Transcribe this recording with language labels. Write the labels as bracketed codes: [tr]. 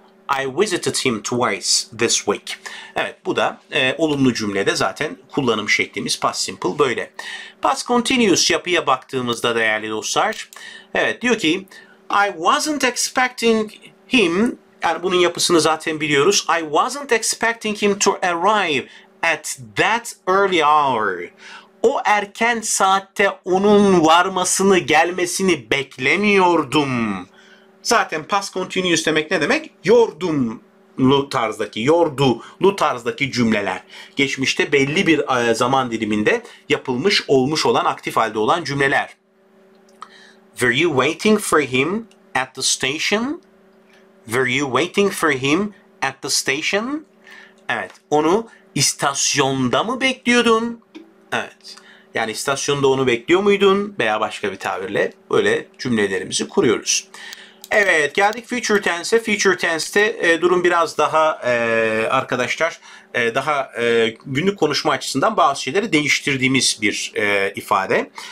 [en] I visited him twice this week. [tr] Evet, bu da olumlu cümlede zaten kullanım şeklimiz past simple böyle. Past continuous yapıya baktığımızda değerli dostlar. Evet, diyor ki [en] I wasn't expecting him. [tr] Yani bunun yapısını zaten biliyoruz. [en] I wasn't expecting him to arrive at that early hour. [tr] O erken saatte onun varmasını, gelmesini beklemiyordum. Zaten past continuous demek ne demek? Yordulu tarzdaki cümleler. Geçmişte belli bir zaman diliminde yapılmış olmuş olan aktif halde olan cümleler. [en] Were you waiting for him at the station? Were you waiting for him at the station? [tr] Evet, onu istasyonda mı bekliyordun? Evet. Yani istasyonda onu bekliyor muydun? Veya başka bir tabirle böyle cümlelerimizi kuruyoruz. Evet, geldik future tense'e. Future tense'te durum biraz daha arkadaşlar daha günlük konuşma açısından bazı şeyleri değiştirdiğimiz bir ifade.